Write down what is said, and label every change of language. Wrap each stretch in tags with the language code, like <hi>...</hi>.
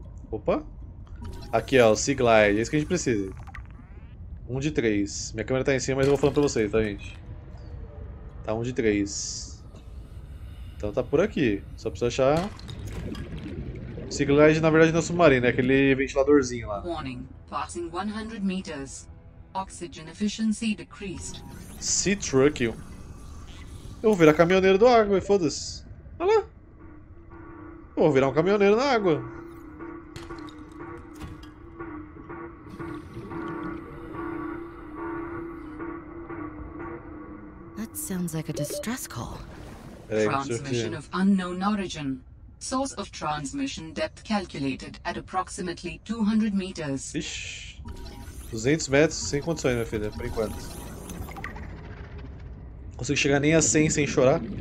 <pt>Opa! Aqui ó, o Sea Glide, é isso que a gente precisa. Um de três. Minha câmera tá em cima, mas eu vou falando pra vocês, tá, gente? Tá um de três. Então tá por aqui, só precisa achar. Sea Glide na verdade não é submarino, é aquele ventiladorzinho lá.</pt> <en>Warning, passing 100 meters. Oxygen efficiency decreased. Sea Truck.</en> <pt>Eu vou virar caminhoneiro do água, foda-se. Olha lá! Eu vou virar um caminhoneiro na água.</pt> <en>Sounds like a distress call. Transmission of unknown origin. Source of transmission depth calculated at approximately 200 meters.</en> <pt>Ixi. 200 metros sem condições, minha filha, por enquanto. Consigo chegar nem a 100 sem chorar.</pt>